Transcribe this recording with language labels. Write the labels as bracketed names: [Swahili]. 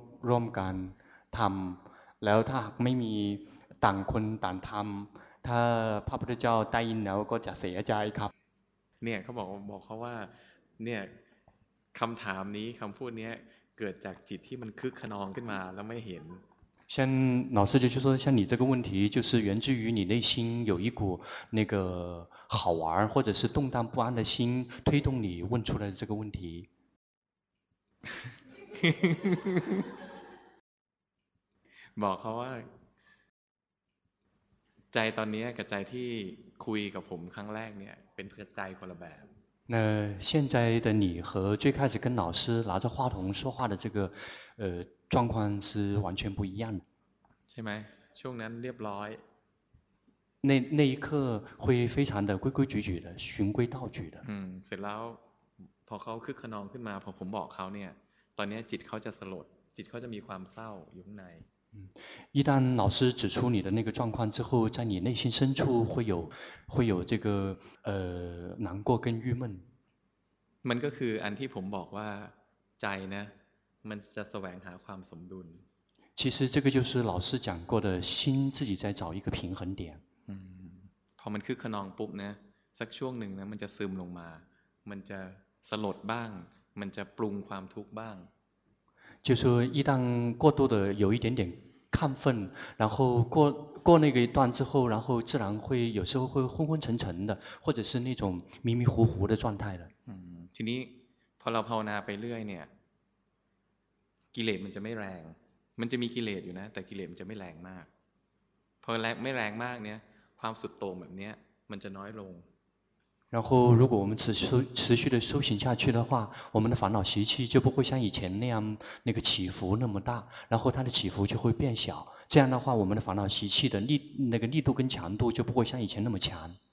[Thai] ร่วมกันทำแล้วถ้าไม่มีต่างคนต่างทำถ้าพระพุทธเจ้าได้ยินแล้วก็จะเสียใจครับ เนี่ยเขาบอกเขาว่าเนี่ยคำถามนี้คำพูดนี้เกิดจากจิตที่มันคึกขนองขึ้นมาแล้วไม่เห็น [Chinese] 像老师就说像你这个问题就是源自于你内心有一股那个好玩或者是动荡不安的心推动你问出了这个问题 [Thai] บอกเขาว่าใจตอนนี้กับใจที่คุยกับผมครั้งแรกเนี่ยเป็นใจคนละแบบ [Chinese] 那现在的你和最开始跟老师拿着话筒说话的这个状况是完全不一样的 [Thai] ใช่ไหมช่วงนั้นเรียบร้อย [Chinese] 那一刻会非常的规规矩矩的循规蹈矩的 [Thai] เสร็จแล้วพอเขาคึกขนองขึ้นมาพอผมบอกเขาเนี่ยตอนนี้จิตเขาจะสลดจิตเขาจะมีความเศร้าอยู่ข้างใน [Chinese] 一旦老师指出你的那个状况之后在你内心深处会有这个难过跟郁闷 [Thai] มันก็คืออันที่ผมบอกว่าใจนะมันจะแสวงหาความสมดุล [Chinese] 其实这个就是老师讲过的心自己在找一个平衡点 [Thai] พอมันคึกขนองปุ๊บนะสักช่วงหนึ่งนะมันจะซึมลงมามันจะสลดบ้างมันจะปรุงความทุกข์บ้าง [Chinese] 就是一旦过度的有一点点亢奋然后过那个一段之后然后自然会有时候会昏昏沉沉的或者是那种迷迷糊糊的状态的 [Thai] ทีนี้พอเราภาวนาไปเรื่อยเนี่ยกิเลสมันจะไม่แรงมันจะมีกิเลสอยู่นะแต่กิเลสมันจะไม่แรงมากพอแรงไม่แรงมากเนี่ยความสุดโต่งแบบเนี้ยมันจะน้อยลง [Chinese] 然后如果我们持续的修行下去的话我们的烦恼习气就不会像以前那样那个起伏那么大然后它的起伏就会变小这样的话我们的烦恼习气的那个力度跟强度就不会像以前那么强